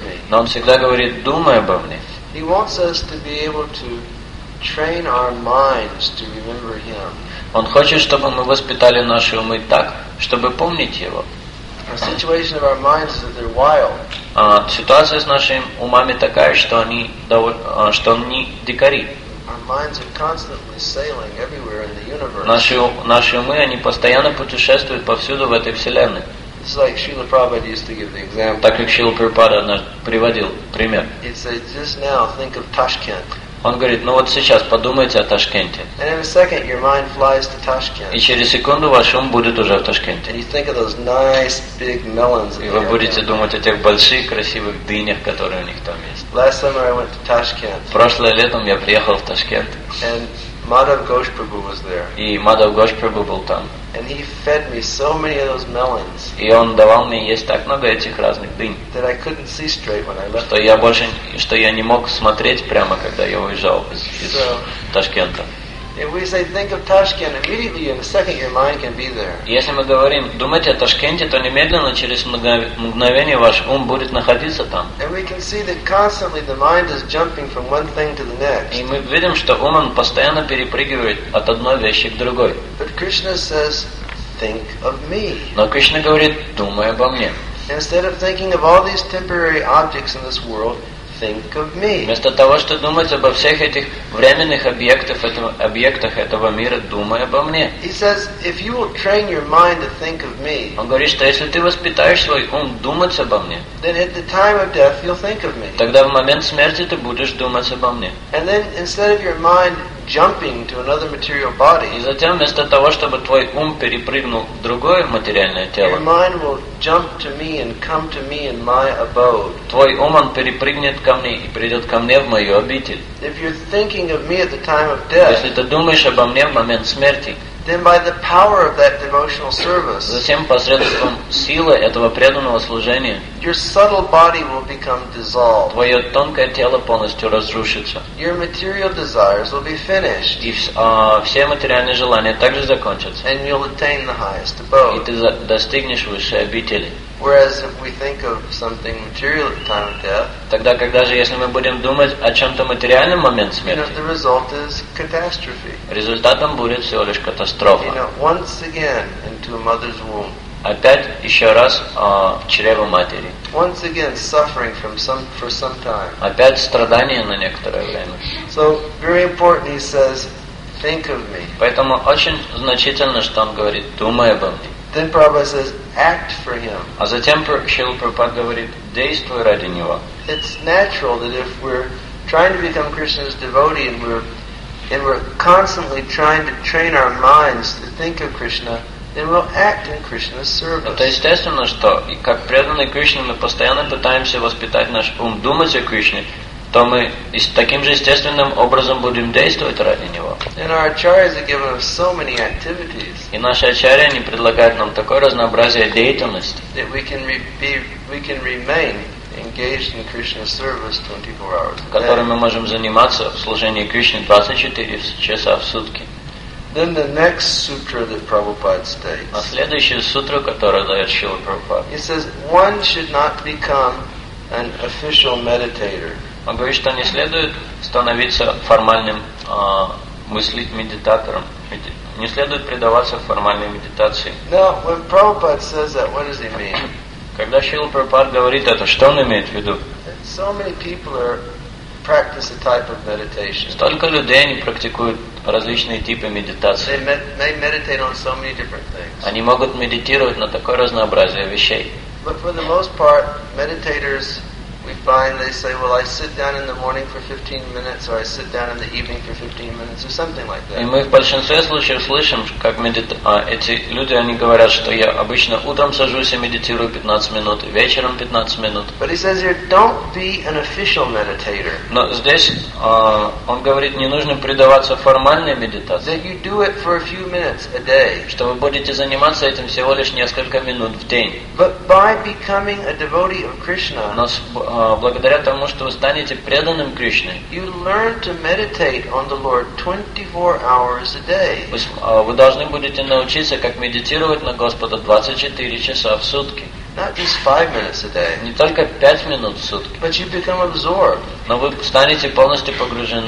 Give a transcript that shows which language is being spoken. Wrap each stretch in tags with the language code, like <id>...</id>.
<ru>Но он всегда говорит, думай обо мне.</ru> <en>He wants us to be able to train our minds to remember Him.</en> <ru>Он хочет, чтобы мы воспитали наши умы так, чтобы помнить Его.</ru> <en>The situation of our minds is that they're wild.</en> <ru>Ситуация с нашими умами такая, что они дикари.</ru> <en>Our minds are constantly sailing everywhere in the universe.</en> <ru>Наши умы, они постоянно путешествуют повсюду в этой вселенной.</ru> <en>It's like Srila Prabhupada used to give the example.</en> <ru>Так как Шрила Прабхупада приводил пример.</ru> <en>He said, just now think of Tashkent.</en> <ru>Он говорит, ну вот сейчас подумайте о Ташкенте.</ru> <en>And in a second your mind flies to Tashkent.</en> <ru>И через секунду ваш ум будет уже в Ташкенте.</ru> <en>And you think of those nice big melons.</en> <ru>И вы будете думать о тех больших красивых дынях, которые у них там есть.</ru> <en>Last summer I went to Tashkent.</en> <ru>Прошлое летом я приехал в Ташкент.</ru> <en>And Madhav Ghosh Prabhu was there.</en> <ru>И Мадхав Гош Прабху был там.</ru> <en>And he fed me so many of those melons.</en> <ru>И он давал мне есть так много этих разных дынь.</ru> <en>That I couldn't see straight when I left.</en> <ru>Что я не мог смотреть прямо, когда я уезжал из Ташкента.</ru> <en>If we say think of Tashkent, immediately in a second your mind can be there.</en> <ru>Если мы говорим, думайте о Ташкенте, то немедленно через мгновение ваш ум будет находиться там.</ru> <en>And we can see that constantly the mind is jumping from one thing to the next.</en> <ru>И мы видим, что ум постоянно перепрыгивает от одной вещи к другой.</ru> <en>But Krishna says, think of me.</en> <ru>Но Кришна говорит, думай обо мне.</ru> <en>Instead of thinking of all these temporary objects in this world, think of me.</en> <ru>Вместо того, чтобы думать обо всех этих временных объектах этого мира, думай обо мне.</ru> <en>He says, if you will train your mind to think of me.</en> <ru>Он говорит, что если ты воспитаешь свой ум думать обо мне.</ru> <en>Then at the time of death you'll think of me.</en> <ru>Тогда в момент смерти ты будешь думать обо мне.</ru> <en>And then instead of your mind jumping to another material body.</en> <ru>И затем вместо того, чтобы твой ум перепрыгнул в другое материальное тело.</ru> <en>Your mind will jump to me and come to me in my abode.</en> <ru>Твой ум он перепрыгнет ко мне и придет ко мне в мою обитель.</ru> <en>If you're thinking of me at the time of death.</en> <ru>Если ты думаешь обо мне в момент смерти.</ru> <en>Then by the power of that devotional service.</en> <ru>Затем посредством силы этого преданного служения.</ru> <en>Your subtle body will become dissolved.</en> <ru>Твое тонкое тело полностью разрушится.</ru> <en>Your material desires will be finished.</en> <ru>И все материальные желания также закончатся.</ru> <en>And you'll attain the highest abode.</en> <ru>И ты достигнешь высшей обители.</ru> <en>Whereas if we think of something material at the time of death,</en> <ru>тогда когда же если мы будем думать о чем-то материальном момент смерти,</ru> <en>the result is catastrophe.</en> <ru>Результатом будет всего лишь катастрофа.</ru> <en>You know, once again into a mother's womb.</en> <ru>Опять еще раз в чрево матери.</ru> <en>Once again suffering for some time.</en> <ru>Опять страдание на некоторое время.</ru> <en>So very important, he says, think of me.</en> <ru>Поэтому очень значительно, что он говорит, думай обо мне.</ru> <en>Then Prabhupada says, act for him.</en> <ru>А затем Шрила Прабхупада говорит, действуй ради него.</ru> <en>It's natural that if we're trying to become Krishna's devotee and we're constantly trying to train our minds to think of Krishna, then we'll act in Krishna's service.</en> <ru>Это естественно, что как преданные Кришне мы постоянно пытаемся воспитать наш ум думать о Кришне, то мы таким же естественным образом будем действовать ради Него.</ru> <en>And our acharyas have given us so many activities.</en> <ru>И наши ачарьи, они предлагают нам такое разнообразие деятельности,</ru> <en>that we can remain engaged in Krishna's service 24 hours a day.</en> <ru>Которыми мы можем заниматься в служении Кришне 24 часа в сутки.</ru> <en>Then the next sutra that Prabhupada states.</en> <ru>А следующая сутра, которую дает Шрила Прабхупада.</ru> <en>He says, one should not become an official meditator.</en> <ru>Он говорит, что не следует становиться формальным медитатором. Не следует предаваться формальной медитации.</ru> <en>Now, when Prabhupada says that, what does he mean?</en> <ru>Когда Шрила Прабхупада говорит это, что он имеет в виду?</ru> <en>So many people are practice a type of meditation.</en> <ru>Столько людей, они практикуют различные типы медитации.</ru> <en>They meditate on so many different things.</en> <ru>Они могут медитировать на такое разнообразие вещей.</ru> <en>But for the most part, meditators... We find they say, well, I sit down in the morning for 15 minutes, or I sit down in the evening for 15 minutes, or something like that.</en> <ru>И мы в большинстве случаев слышим, как эти люди, они говорят, что я обычно утром сажусь и медитирую 15 минут, и вечером 15 минут.</ru> <en>But he says here, don't be an official meditator.</en> <ru>Но здесь он говорит, не нужно предаваться формальной медитации.</ru> <en>That you do it for a few minutes a day.</en> <ru>Что вы будете заниматься этим всего лишь несколько минут в день.</ru> <en>But by becoming a devotee of Krishna.</en> <ru>благодаря тому, что вы станете преданным Кришне,</ru> <en>you learn to meditate on the Lord 24 hours a day.</en> <ru>Вы должны будете научиться, как медитировать на Господа 24 часа в сутки.</ru> <en>Not just 5 minutes a day.</en> <ru>Не только 5 минут в сутки.</ru> <en>But you become absorbed.</en> <ru>Но вы станете полностью погружены.</ru>